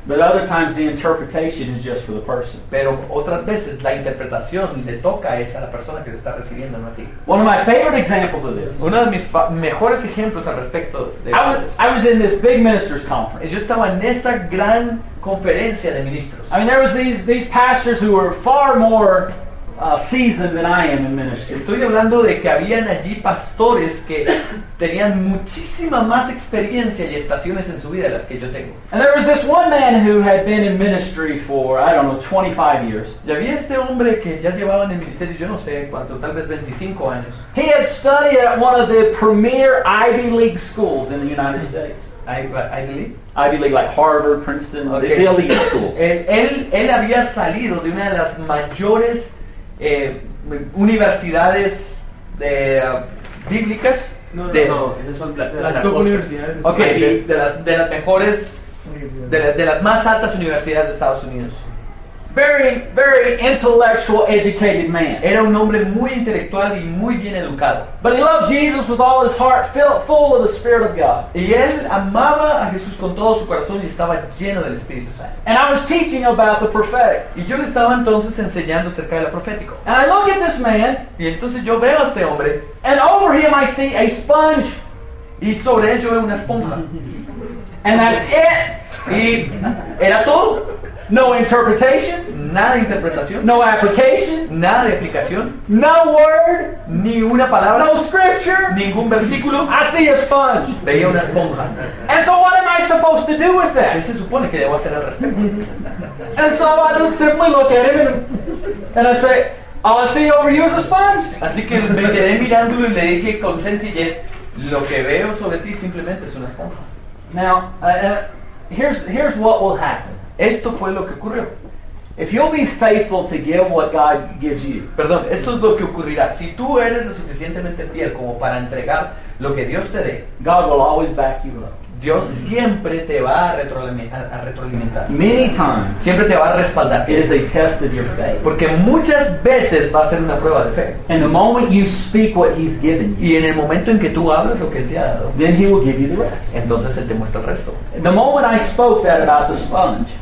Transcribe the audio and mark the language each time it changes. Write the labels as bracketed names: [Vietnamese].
[English] But other times the interpretation is just for the person. [Spanish] Pero otras veces la interpretación le toca es a la persona que te está recibiendo, no a ti. [English] One of my favorite examples of this. [Spanish] Uno de mis mejores ejemplos al respecto de esto. [English] I was in this big ministers conference. [Spanish] Yo estaba en esta gran conferencia de ministros. [English] I mean, there was these pastors who were far more seasoned than I am in ministry. [Spanish] Estoy hablando de que habían allí pastores que tenían muchísima más experiencia y estaciones en su vida de las que yo tengo. [English] And there was this one man who had been in ministry for, I don't know, 25 years. [Spanish] Y había este hombre que ya llevaba en el ministerio, yo no sé cuánto, tal vez 25 años. [English] He had studied at one of the premier Ivy League schools in the United States. Ivy League, like Harvard, Princeton, okay. The elite schools. [Spanish] Él había salido de una de las mayores universidades de bíblicas. De las más altas universidades de Estados Unidos. [English] Very, very intellectual, educated man. [Spanish] Era un hombre muy intelectual y muy bien educado. [English] But he loved Jesus with all his heart, full of the Spirit of God. [Spanish] Y él amaba a Jesús con todo su corazón y estaba lleno del Espíritu Santo. [English] And I was teaching about the prophetic. [Spanish] Y yo le estaba entonces enseñando acerca de lo profético. [English] And I look at this man. [Spanish] Y entonces yo veo a este hombre. [English] And over him I see a sponge. [Spanish] Y sobre él yo veo una esponja. [English] And that's it. [Spanish] Y era todo. [English] No interpretation. [Spanish] Nada de interpretación. [English] No application. [Spanish] Nada de aplicación. [English] No word. [Spanish] Ni una palabra. [English] No scripture. [Spanish] Ningún versículo. [English] I see a sponge. [Spanish] Veía una esponja. [English] And so what am I supposed to do with that? [Spanish] ¿Qué se supone que debo hacer al respecto? [English] And so I just simply look at him and I say, all I see over you is a sponge. [Spanish] Así que me quedé mirándolo y le dije con sencillez, lo que veo sobre ti simplemente es una esponja. [English] Now, here's what will happen. [Spanish] Esto fue lo que ocurrió. [English] If you'll be faithful to give what God gives you. [Spanish] Perdón, esto es lo que ocurrirá. Si tú eres lo suficientemente fiel como para entregar lo que Dios te dé, [English] God will always back you up. [Spanish] Dios siempre te va a retroalimentar. [English] Many times. [Spanish] Siempre te va a respaldar. [English] It is a test of your faith. [Spanish] Porque muchas veces va a ser una prueba de fe. [English] And the moment you speak what he's given you. [Spanish] Y en el momento en que tú hablas lo que él te ha dado. [English] Then he will give you the rest. [Spanish] Entonces él te muestra el resto. [English] The moment I spoke that about the sponge.